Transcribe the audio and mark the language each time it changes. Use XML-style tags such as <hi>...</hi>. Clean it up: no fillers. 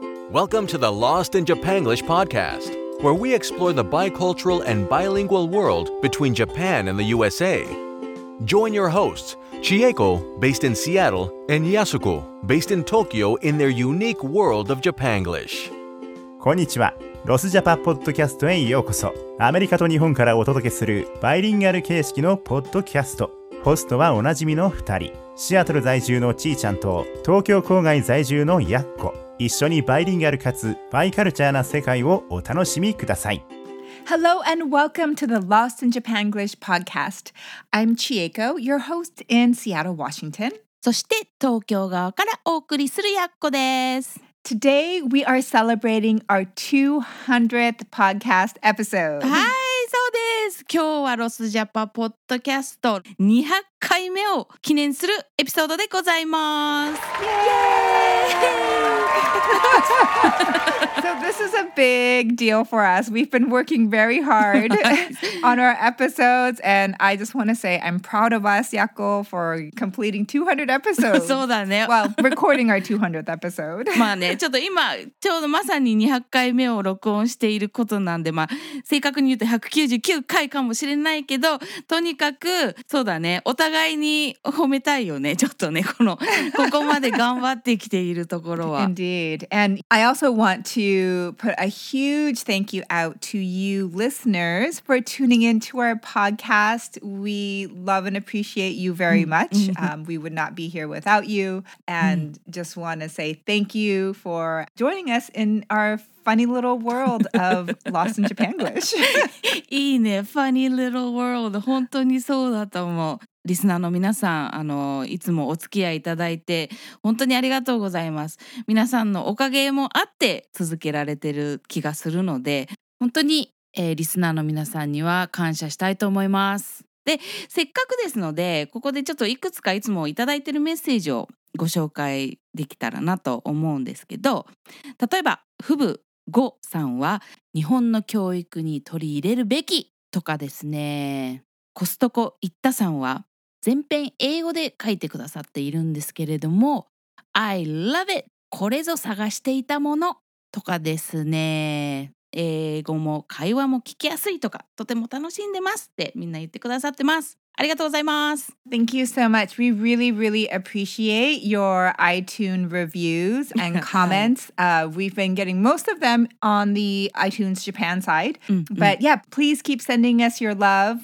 <en>Welcome to the Lost in Japan English podcast, where we explore the bicultural and bilingual world between Japan and the USA. Join your hosts, Chieko, based in Seattle, and Yasuko, based in Tokyo, in their unique world of Japanglish.</en> <ja>Konnichiwa. ロスジャパポッドキャストへようこそ。アメリカと日本からお届けするバイリンガル形式のポッドキャスト。ホストはおなじみの2人、シアトル在住のちーちゃんと東京郊外在住のやっこ。一緒にバイリンガルかつバイカルチャーな世界をお楽しみください。</ja> <en>Hello and welcome to the Lost in Japan English podcast. I'm Chieko, your host in Seattle, Washington.</en> <ja>そして東京側からお送りするやっこです。</ja> <en>Today, we are celebrating our 200th podcast episode.</en> <ja>はい、そうです。今日はロスジャパポッドキャスト200回目を記念するエピソードでございます。</ja> <en>Yay! So this is a big deal for us. We've been working very hard on our episodes, and I just want to say I'm proud of us, Yakko, for completing 200 episodes.</en> <ja>そうだね。</ja> <en>Well, recording our 200th episode.</en> <ja>まあね、ちょっと今ちょうどまさに200回目を録音していることなんで、まあ正確に言うと199回かもしれないけど、とにかくそうだね、お互いに褒めたいよね。ちょっとね、このここまで頑張ってきているところは。</ja> <en>Indeed. And I also want to put a huge thank you out to you listeners for tuning into our podcast. We love and appreciate you very much. We would not be here without you. And just want to say thank you for joining us in our funny little world of Lost in Japanglish.</en> <ja>いいね、</ja> <en>funny little world。</en> <ja>本当にそうだと思う。リスナーの皆さん、いつもお付き合いいただいて本当にありがとうございます。皆さんのおかげもあって続けられてる気がするので、本当に、リスナーの皆さんには感謝したいと思います。で、せっかくですので、ここでちょっといくつかいつもいただいてるメッセージをご紹介できたらなと思うんですけど、例えばフブゴさんは日本の教育に取り入れるべきとかですね、コストコイッタさんは全編英語で書いてくださっているんですけれども、</ja> <en>I love it、</en> <ja>これぞ探していたものとかですね、英語も会話も聞きやすいとか、とても楽しんでますってみんな言ってくださってます。ありがとうございます。</ja> <en>Thank you so much. We really really appreciate your iTunes reviews and comments. 、</en> <ja>はい、</ja> <en>we've been getting most of them on the iTunes Japan side. But yeah, please keep sending us your love.</en>